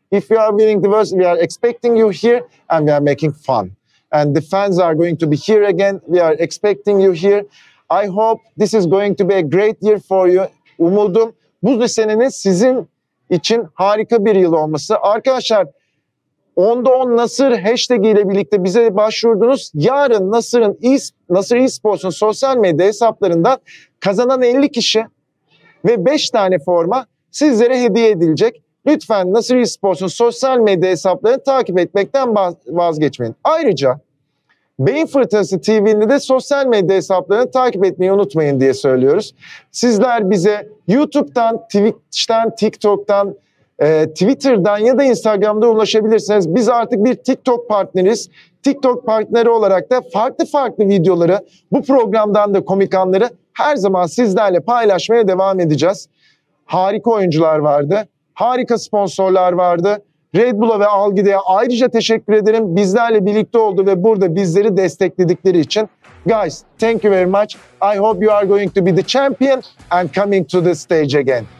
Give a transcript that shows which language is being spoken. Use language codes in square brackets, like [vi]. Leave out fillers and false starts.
[en] If you are winning the Worlds, we are expecting you here and we are making fun. And the fans are going to be here again. We are expecting you here. I hope this is going to be a great year for you. [tr] Umudum bu senenin sizin için harika bir yıl olması. Arkadaşlar, 10'da 10 Nasır hashtag ile birlikte bize başvurdunuz. Yarın Nasır eSports'un sosyal medya hesaplarından kazanan 50 kişi ve 5 tane forma sizlere hediye edilecek. Lütfen Nasır eSports'un sosyal medya hesaplarını takip etmekten vazgeçmeyin. Ayrıca Beyin Fırtınası TV'nde de sosyal medya hesaplarını takip etmeyi unutmayın diye söylüyoruz. Sizler bize YouTube'dan, Twitch'ten, TikTok'tan, Twitter'dan ya da Instagram'da ulaşabilirsiniz. Biz artık bir TikTok partneriyiz. TikTok partneri olarak da farklı farklı videoları, bu programdan da komik anları her zaman sizlerle paylaşmaya devam edeceğiz. Harika oyuncular vardı. Harika sponsorlar vardı. Red Bull'a ve Algida'ya ayrıca teşekkür ederim. Bizlerle birlikte oldu ve burada bizleri destekledikleri için. [en] Guys, thank you very much. I hope you are going to be the champion and coming to the stage again.